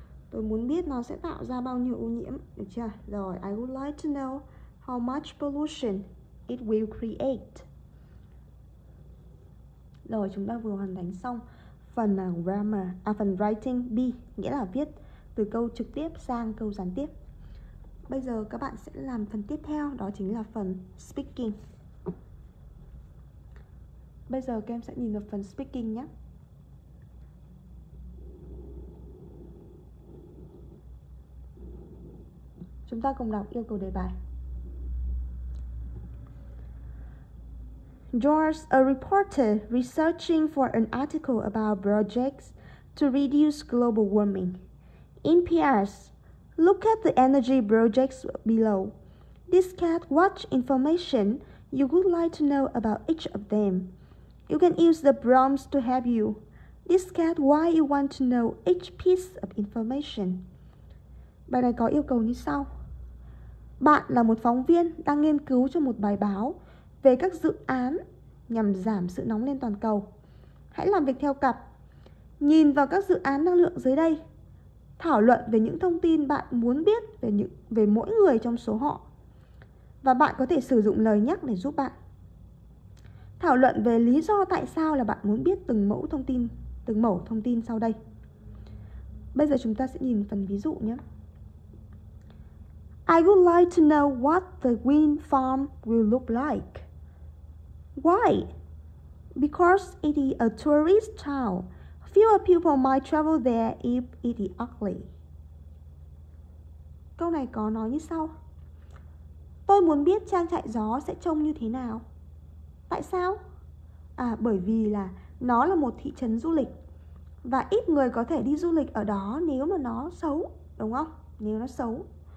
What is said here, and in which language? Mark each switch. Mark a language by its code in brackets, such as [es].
[vi] Tôi muốn biết nó sẽ tạo ra bao nhiêu ô nhiễm, được chưa? [en] Rồi, I would like to know how much pollution it will create. [vi] Rồi, chúng ta vừa hoàn thành xong phần grammar, phần writing B, nghĩa là viết từ câu trực tiếp sang câu gián tiếp. Bây giờ các bạn sẽ làm phần tiếp theo, đó chính là phần speaking. Bây giờ các em sẽ nhìn vào phần speaking nhé. Chúng ta cùng đọc yêu cầu đề bài. [en] George, a reporter researching for an article about projects to reduce global warming. In PRS, look at the energy projects below. Discuss what information you would like to know about each of them. You can use the prompts to help you. Discuss why you want to know each piece of information. [vi] Bài này có yêu cầu như sau. Bạn là một phóng viên đang nghiên cứu cho một bài báo về các dự án nhằm giảm sự nóng lên toàn cầu. Hãy làm việc theo cặp. Nhìn vào các dự án năng lượng dưới đây. Thảo luận về những thông tin bạn muốn biết về mỗi người trong số họ. và bạn có thể sử dụng lời nhắc để giúp bạn. Thảo luận về lý do tại sao là bạn muốn biết từng mẫu thông tin sau đây. Bây giờ chúng ta sẽ nhìn phần ví dụ nhé. [en] I would like to know what the wind farm will look like. Why? Because it is a tourist town. Fewer people might travel there if it is ugly. [vi] Câu này có nói như sau. Tôi muốn biết trang trại gió sẽ trông như thế nào. Tại sao? À, bởi vì là nó là một thị trấn du lịch và ít người có thể đi du lịch ở đó nếu mà nó xấu, đúng không? Nếu nó xấu.